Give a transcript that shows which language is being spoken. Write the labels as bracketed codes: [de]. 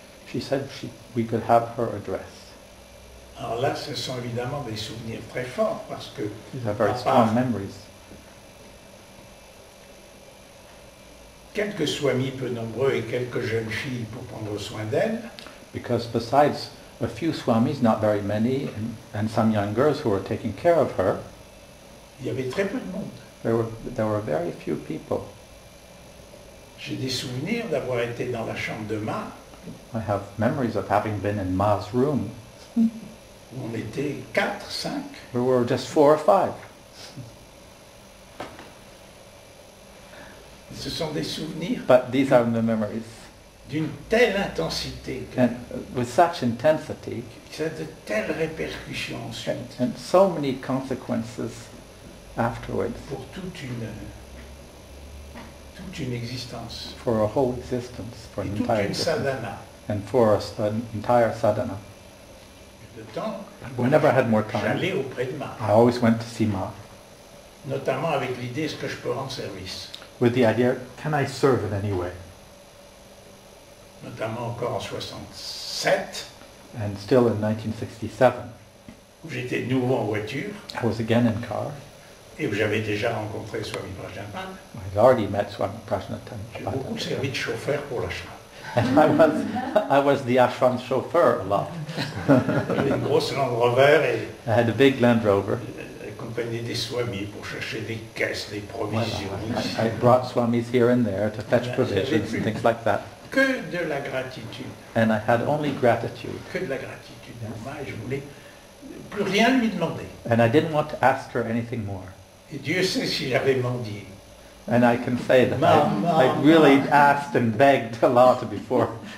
[en] She said we could have her address. [fr] Alors là, ce sont évidemment des souvenirs très forts parce que [en] these are very strong memories. [fr] Quelques swamis peu nombreux et quelques jeunes filles pour prendre soin d'elles. [en] Because besides a few swamis, not very many, and some young girls who were taking care of her, [fr] il y avait très peu de monde. [en] There were very few people. [fr] J'ai des souvenirs d'avoir été dans la chambre de Ma. [en] I have memories of having been in Ma's room. [fr] Où on était 4, 5. [en] We were just 4 or 5. [fr] Ce sont des souvenirs. [en] But these are the memories. [fr] D'une telle intensité. [en] And with such intensity. [fr] C'est de telles répercussions ensuite. [en] And so many consequences afterwards. [fr] Pour toute une existence. [en] For a whole existence. For [fr] et [en] an entire [fr] toute une sadhana. [en] And for an entire sadhana. [fr] De temps, [en] whenever I had more time. [fr] J'allais auprès de Ma. [en] I always went to see Ma. [fr] Notamment avec l'idée, est-ce que je peux rendre service? [en] With the idea, can I serve in any way? [fr] Notamment encore en 67. [en] And still in 1967. [fr] Où j'étais nouveau en voiture. [en] I was again in car. [fr] Et où j'avais déjà rencontré Swami Prajnanpad. [en] I'd already met Swami Prajnanpad. [fr] J'ai beaucoup servi de chauffeur pour l'ashram. [en] And I was the ashram chauffeur a lot. [fr] J'avais une grosse Land Rover et [en] I had a big Land Rover. [fr] Accompagner des swamis pour chercher des caisses, des provisions. [en] Voilà, I brought swamis here and there to fetch provisions and things like that. [fr] Que de la gratitude. [en] And I had only gratitude. [fr] Que de la gratitude. [en] Yes. [fr] Ma, je voulais plus rien lui demander. [en] And I didn't want to ask her anything more. [fr] Et Dieu sait si j'avais mendié. [en] And I can say that I really asked and begged a lot before.